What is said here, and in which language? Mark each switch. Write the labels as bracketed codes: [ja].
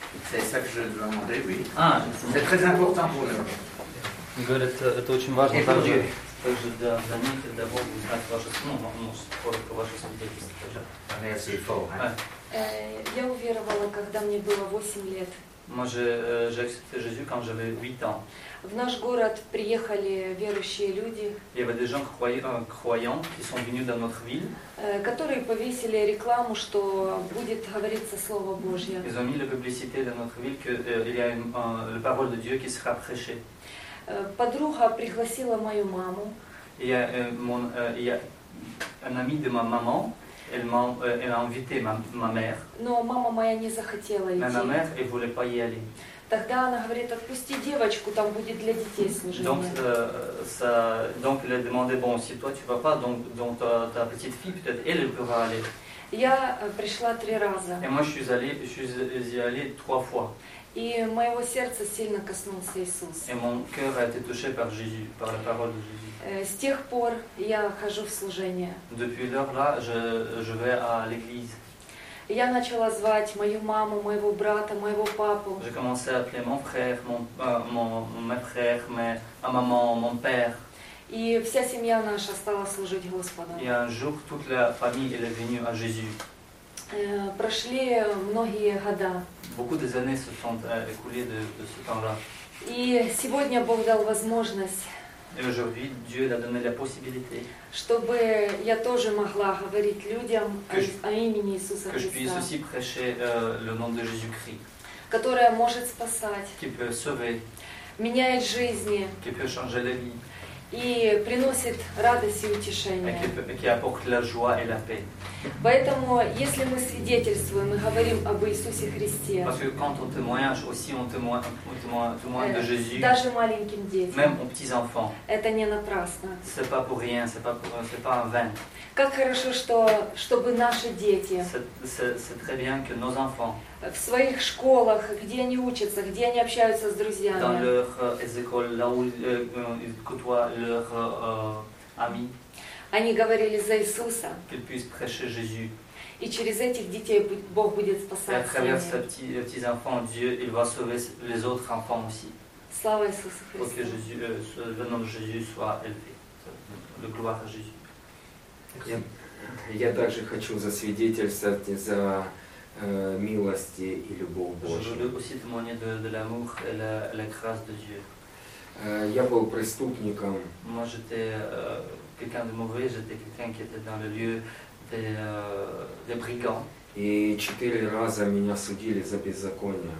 [fr] C'est ça que je demandais, oui. Ah, c'est très important pour nous. [ru] Это очень важно. [fr] Et pour Dieu. [ru] Также для них [fr] d'abord [ru] узнать ваше свидетельство. [fr] Merci, Paul. [ru] Я уверовала, когда мне было 8 лет. [fr] Moi, j'ai accepté Jésus quand j'avais 8 ans. [ru] В наш город приехали верующие люди. [fr] Il y avait des gens croyants qui sont venus dans notre ville. [ru] Которые повесили рекламу, что будет говориться слово Божье. [fr] Ils ont mis la publicité dans notre ville que il y a la parole de Dieu qui sera prêchée. [ru] Подруга пригласила мою маму. [fr] Un ami de ma maman. Elle a invité ma mère. [ru] Но мама моя не захотела идти. [fr] Ma mère, elle voulait pas y aller. [ru] Тогда она говорит, отпусти девочку, там будет для детей служение. [fr] Donc elle a demandé, bon, si toi tu vas pas, donc ta petite fille peut-être elle pourra aller. [ru] Я пришла три раза. [fr] Et moi je suis allée trois fois. [ru] И моего сердца сильно коснулся Иисус. [fr] Et mon cœur a été touché par Jésus, par la parole de Jésus. [ru] С тех пор я хожу в служение. [fr] Depuis là, je vais à l'église. [ru] Я начала звать мою маму, моего брата, моего папу. [fr] J'ai commencé à appeler mon frère, mes frères, ma maman, mon père. [ru] И вся семья наша стала служить Господу. [fr] Et un jour, toute la famille elle est venue à Jésus. [ru] Прошли многие года. [fr] Beaucoup des années se sont écoulées de ce temps-là. [ru] И сегодня Бог дал возможность. [fr] Et aujourd'hui, Dieu a donné la possibilité [ru] чтобы я тоже могла говорить людям о имени Иисуса [fr] Que je puisse aussi prêcher le nom de Jésus-Christ. [ru] Которое может спасать. [fr] Qui peut sauver. [ru] Меняет жизни. [fr] Qui peut changer la vie. [ru] и приносит радость и утешение. [fr] Qui apporte la joie et la paix. [ru] Поэтому, если мы свидетельствуем и говорим об Иисусе Христе, [fr] parce que quand on témoigne aussi, on témoigne de Jésus, [ru] даже маленьким детям, [fr] même aux petits enfants, [ru] это не напрасно. [fr] C'est pas pour rien, c'est pas en vain. [ru] Как хорошо, чтобы наши дети [fr] c'est très bien que nos enfants, [ru] в своих школах, где они учатся, где они общаются с друзьями, [fr] dans leur école, là où ils côtoient leurs amis, [ru] они говорили за Иисуса. [fr] Qu'ils puissent prêcher Jésus. [ru] И через этих детей Бог будет спасать. [fr] Et à travers ces enfants, Dieu, il va sauver les autres enfants aussi. [ru] Слава Иисусу Христу. [fr] Pour que Jésus, le nom de Jésus soit élevé. Le gloire à Jésus. [ru] Я также хочу засвидетельствовать за милости и любовь Божью. [fr] Je veux aussi témoigner de l'amour et la grâce de Dieu. [ru] Я был преступником. [fr] Moi, j'étais quelqu'un de mauvais, j'étais quelqu'un qui était dans le lieu des brigands. Et 4 fois, ils m'ont jugé pour беззаконие.